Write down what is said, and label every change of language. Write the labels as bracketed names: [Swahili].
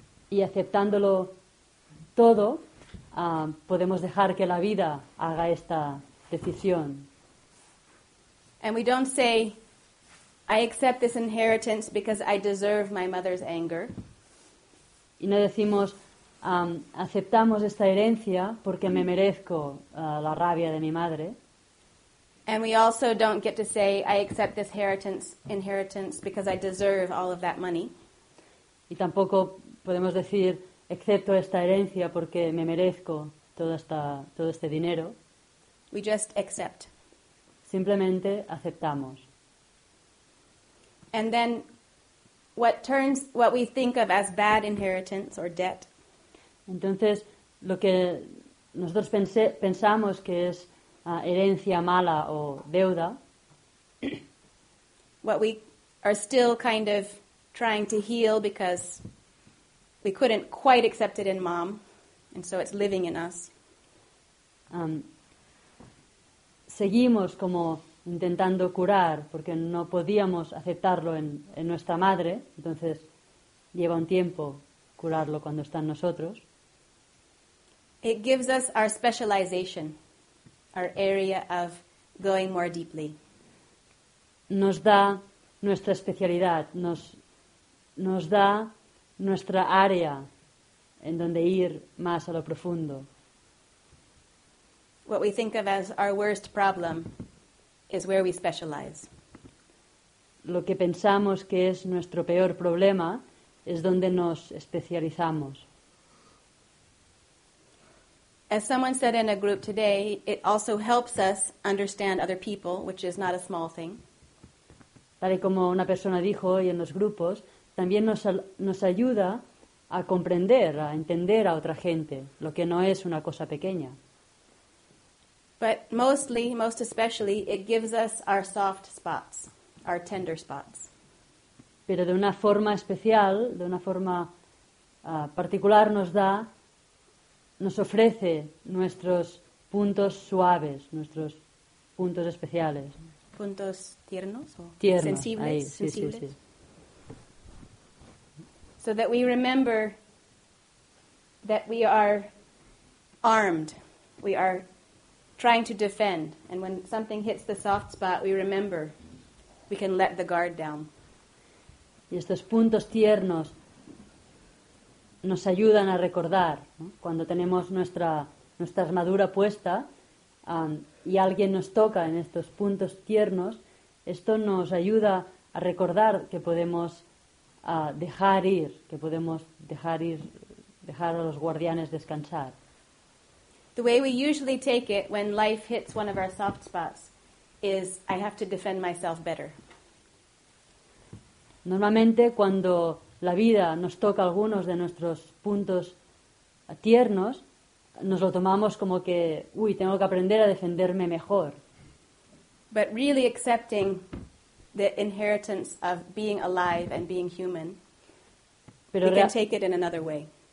[Spanish] Y aceptándolo todo, podemos dejar que la vida haga esta decisión. [English] And we don't say, I accept this inheritance because I deserve my mother's anger. [Spanish] Y no decimos, aceptamos esta herencia porque me merezco la rabia de mi madre. [English] And we also don't get to say, I accept this inheritance because I deserve all of that money. [Spanish] Y tampoco podemos decir, acepto esta herencia porque me merezco todo este dinero. [English] We just accept. [Spanish] Simplemente aceptamos. [English] And then what we think of as bad inheritance or debt. [Spanish] Entonces, lo que nosotros pensamos que es herencia mala o deuda. [English] What we are still kind of trying to heal because we couldn't quite accept it in mom, and so it's living in us. [Spanish] Seguimos como intentando curar porque no podíamos aceptarlo en nuestra madre, entonces lleva un tiempo curarlo cuando está en nosotros. [English] It gives us our specialization, our area of going more deeply. [Spanish] Nos da nuestra especialidad, nos da nuestra área en donde ir más a lo profundo. [English] What we think of as our worst problem is where we specialize. [Spanish] Lo que pensamos que es nuestro peor problema es donde nos especializamos. [English] As someone said in a group today, it also helps us understand other people, which is not a small thing. [Spanish] Tal y como una persona dijo hoy en los grupos, también nos ayuda a comprender, a entender a otra gente, lo que no es una cosa pequeña. [English] But mostly, most especially, it gives us our soft spots, our tender spots. [Spanish] Pero de una forma especial, de una forma particular, nos ofrece nuestros puntos suaves, nuestros puntos especiales. Puntos tiernos o tiernos, sensibles. Ahí, sí, sensibles. Sí, sí. [English] So that we remember that we are armed, we are trying to defend, and when something hits the soft spot, we remember we can let the guard down. [Spanish] Y estos puntos tiernos nos ayudan a recordar, ¿no? Cuando tenemos nuestra armadura puesta y alguien nos toca en estos puntos tiernos, esto nos ayuda a recordar que podemos dejar ir, que podemos dejar a los guardianes descansar. [English] The way we usually take it when life hits one of our soft spots is I have to defend myself better. [Spanish] Normalmente cuando la vida nos toca algunos de nuestros puntos tiernos, nos lo tomamos como que, uy, tengo que aprender a defenderme mejor. [English] But really accepting the inheritance of being alive and being human, we can take it in another way.